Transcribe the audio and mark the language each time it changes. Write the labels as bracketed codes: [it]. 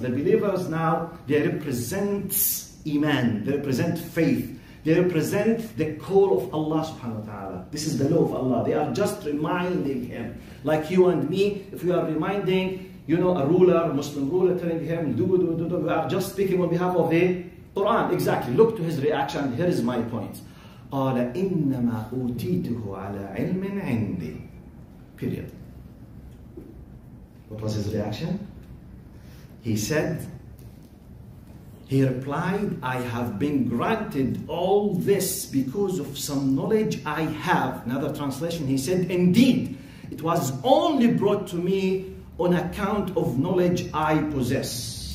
[en] The believers now, they represent iman, they represent faith, they represent the call of Allah subhanahu wa ta'ala. This is the law of Allah. They are just reminding him, like you and me, if we are reminding, you know, a ruler, Muslim ruler, telling him, do, we are just speaking on behalf of the Quran, exactly. Look to his reaction. Here is my point. [ar] قال إنما أوتيته على علم عندي. [en] Period. What was his reaction? He said, he replied, I have been granted all this because of some knowledge I have. Another translation, he said, indeed, it was only brought to me on account of knowledge I possess.